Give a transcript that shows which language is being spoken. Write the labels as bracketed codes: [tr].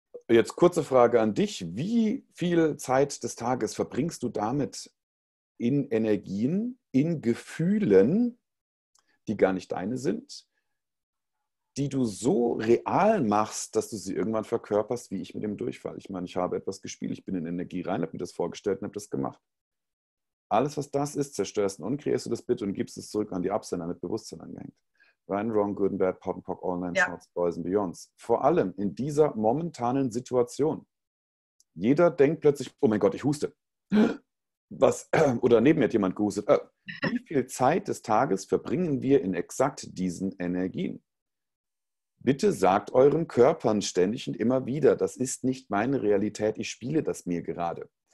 [de] Jetzt kurze Frage an dich. Wie viel Zeit des Tages verbringst du damit in Energien, in Gefühlen, die gar nicht deine sind, die du so real machst, dass du sie irgendwann verkörperst, wie ich mit dem Durchfall? Ich meine, ich habe etwas gespielt, ich bin in Energie rein, habe mir das vorgestellt und habe das gemacht. Alles, was das ist, zerstörst und kreierst du das bitte und gibst es zurück an die Absender mit Bewusstsein angehängt. [en] Right, wrong, good and bad, pot and pock, all nine shots, boys and beyonds. [de] Vor allem in dieser momentanen Situation. Jeder denkt plötzlich, oh mein Gott, ich huste. Was? Oder neben mir hat jemand gehustet. Wie viel Zeit des Tages verbringen wir in exakt diesen Energien? Bitte sagt euren Körpern ständig und immer wieder, das ist nicht meine Realität, ich spiele das mir gerade.